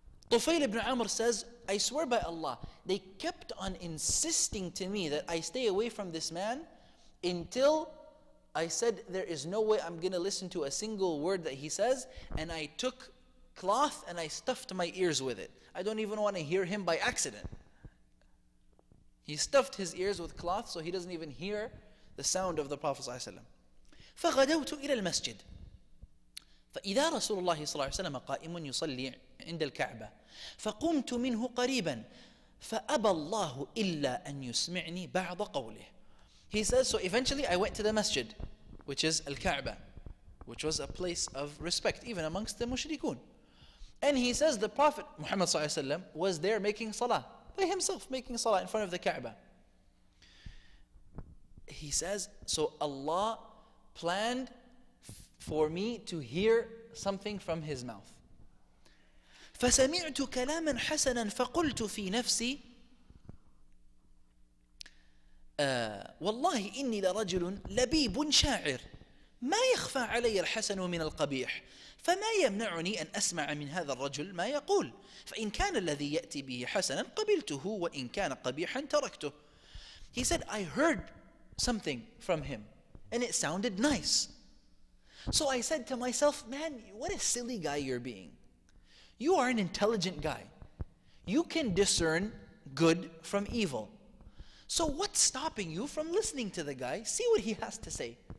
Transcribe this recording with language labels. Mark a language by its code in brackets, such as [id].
[en] Tufayl ibn Amr says, I swear by Allah, they kept on insisting to me that I stay away from this man until I said there is no way I'm going to listen to a single word that he says, and I took cloth and I stuffed my ears with it. I don't even want to hear him by accident. He stuffed his ears with cloth so he doesn't even hear the sound of the Prophet ﷺ. [ar] فغدوت إلى المسجد فإذا رسول الله صلى الله عليه وسلم قائم يصلي عند الكعبة فقمت منه قريبا فأبى الله إلا أن يسمعني بعض قوله. [en] He says, so eventually I went to the masjid, which is al-Kaaba, which was a place of respect even amongst the mushrikun. And he says the Prophet Muhammad صلى الله عليه وسلم was there making salah by himself, making salah in front of the Kaaba. He says, so Allah planned for me to hear something from his mouth. [ar] فَسَمِعْتُ كَلَامًا حَسَنًا فَقُلْتُ فِي نَفْسِي وَاللَّهِ إِنِّي لَرَجُلٌ لَبِيبٌ شَاعِرٌ مَا يَخْفَى عَلَيَّ الْحَسَنُ مِنَ الْقَبِيحِ فما يمنعني أن أسمع من هذا الرجل ما يقول؟ فإن كان الذي يأتي به حسنا قبلته وإن كان قبيحا تركته. [en] He said, I heard something from him and it sounded nice. So I said to myself, man, what a silly guy you're being. You are an intelligent guy. You can discern good from evil. So what's stopping you from listening to the guy? See what he has to say.